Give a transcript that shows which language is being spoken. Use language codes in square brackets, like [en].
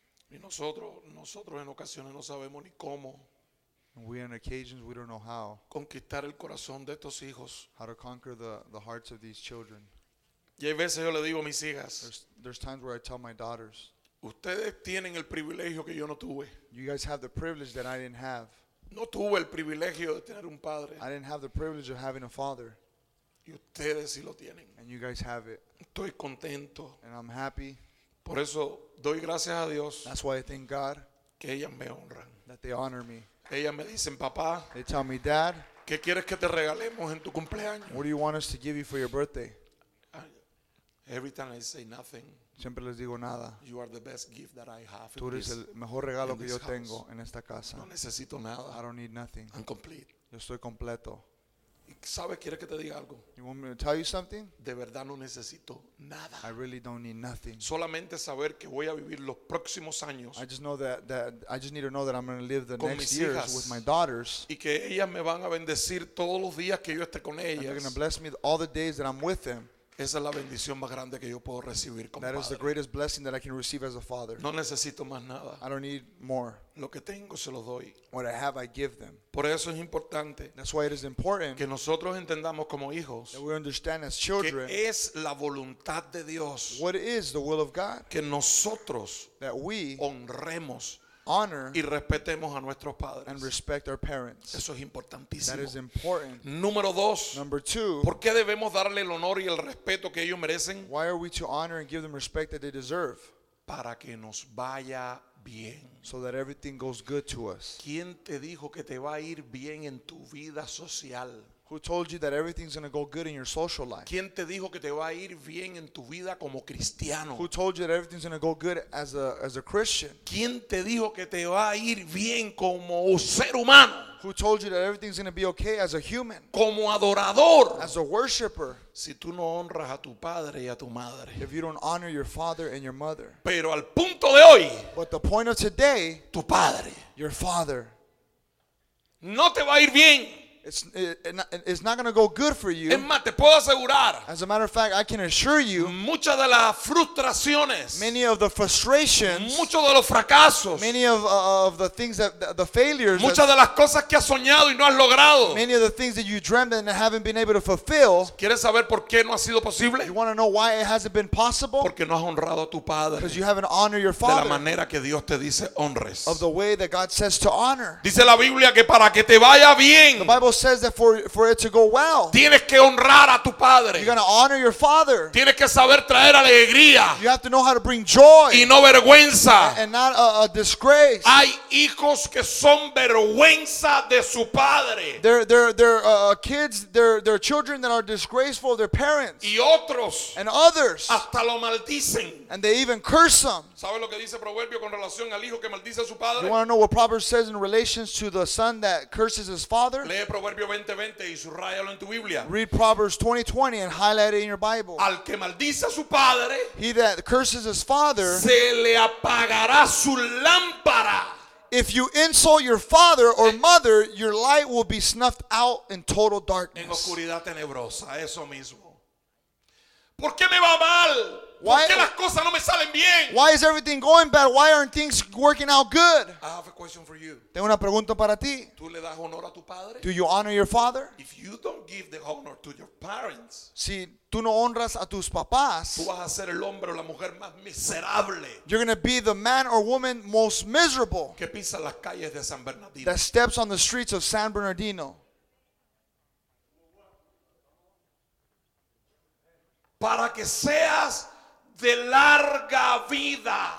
[es] Y nosotros en ocasiones no sabemos ni cómo. [en] And we on occasions we don't know how. [es] Conquistar el corazón de estos hijos. [en] How to conquer the hearts of these children. [es] Y hay veces yo le digo a mis hijas. [en] There's times where I tell my daughters. [es] Ustedes tienen el privilegio que yo no tuve. [en] You guys have the privilege that I didn't have. [es] No tuve el privilegio de tener un padre. [en] I didn't have the privilege of having a father. [es] Y ustedes sí lo tienen. [en] And you guys have it. [es] Estoy contento. [en] And I'm happy. [es] Por eso doy gracias a Dios. [en] That's why I thank God. [es] Que ellas me honran. [en] That they honor me. [es] Ellas me dicen, papá. [en] They tell me, Dad. [es] ¿Qué quieres que te regalemos en tu cumpleaños? [en] What do you want us to give you for your birthday? Every time I say nothing. [es] Siempre les digo nada. [en] You are the best gift that I have. [es] Tú eres el mejor regalo que yo tengo en esta casa. No necesito nada. [en] I don't need nothing. I'm complete. [es] Yo estoy completo. ¿Sabes? ¿Quieres que te diga algo? [en] You want me to tell you something? [es] De verdad no necesito nada. [en] I really don't need nothing. [es] Solamente saber que voy a vivir los próximos años. [en] I just know that I just need to know that I'm going to live the next years with my daughters. [es] Y que ellas me van a bendecir todos los días que yo esté con ellas. [en] And they're going to bless me all the days that I'm with them. [es] Esa es la bendición más grande que yo puedo recibir como padre. [en] That is the greatest blessing that I can receive as a father. [es] No necesito más nada. [en] I don't need more. [es] Lo que tengo se lo doy. [en] What I have, I give them. [es] Por eso es importante. [en] That's why it is important. [es] Que nosotros entendamos como hijos. [en] That we understand as children. [es] Que es la voluntad de Dios. [en] What is the will of God? [es] Que nosotros. [en] That we. [es] Honremos. [en] Honor [es] y respetemos a nuestros padres. [en] And respect our parents. [es] Eso es importantísimo. [en] That is important. [es] Número dos. [en] Number two. [es] ¿Por qué debemos darle el honor y el respeto que ellos merecen? [en] Why are we to honor and give them respect that they deserve? [es] Para que nos vaya bien. [en] So that everything goes good to us. [es] ¿Quién te dijo que te va a ir bien en tu vida social? [en] Who told you that everything's going to go good in your social life? [es] ¿Quién te dijo que te va a ir bien en tu vida como cristiano? [en] Who told you that everything's going to go good as a Christian? [es] ¿Quién te dijo que te va a ir bien como ser humano? [en] Who told you that everything's going to be okay as a human? [es] Como adorador. [en] As a worshiper. [es] Si tú no honras a tu padre y a tu madre. [en] If you don't honor your father and your mother. [es] Pero al punto de hoy. [en] But the point of today. [es] Tu padre. [en] Your father. [es] No te va a ir bien. [en] It's not going to go good for you. [es] Es más, te puedo asegurar, [en] as a matter of fact, I can assure you, [es] muchas de las frustraciones, [en] many of the frustrations, [es] muchos de los fracasos, [en] many of the things that the failures, [es] muchas de las cosas que has soñado y no has logrado, [en] many of the things that you dreamt and haven't been able to fulfill. [es] ¿Quieres saber por qué no ha sido posible? [en] You want to know why it hasn't been possible? [es] Porque no has honrado a tu padre. [en] Because you haven't honored your father. [es] De la manera que Dios te dice honres. [en] Of the way that God says to honor. [es] Dice la Biblia que para que te vaya bien. [en] Says that for it to go well, [es] tienes que honrar a tu padre. [en] You're gonna honor your father. [es] Tienes que saber traer alegría. [en] You have to know how to bring joy. [es] Y no vergüenza. [en] And not a disgrace. [es] Hay hijos que son vergüenza de su padre. [en] They're kids. They're children that are disgraceful of their parents. [es] Y otros. [en] And others. [es] Hasta lo maldicen. [en] And they even curse them. [es] ¿Sabes lo que dice Proverbio con relación al hijo que maldice a su padre? [en] You want to know what Proverbs says in relation to the son that curses his father? [es] Lee Proverbio 20:20 y subrayalo en tu Biblia. [en] Read Proverbs 20:20 and highlight it in your Bible. [es] Al que maldice a su padre, [en] he that curses his father, [es] se le apagará su lámpara. [en] If you insult your father or mother, your light will be snuffed out in total darkness. [es] En oscuridad tenebrosa, eso mismo. ¿Por qué me va mal? [en] Why, [es] ¿por qué las cosas no me salen bien? [en] Why is everything going bad? Why aren't things working out good? I have a question for you. [es] Tengo una pregunta para ti. ¿Tú le das honor a tu padre? [en] Do you honor your father? If you don't give the honor to your parents, [es] si tú no honras a tus papás, tú vas a ser el hombre o la mujer más miserable. [en] You're going to be the man or woman most miserable. [es] Que pisa las calles de San Bernardino. [en] That steps on the streets of San Bernardino. [es] para que seas de larga vida.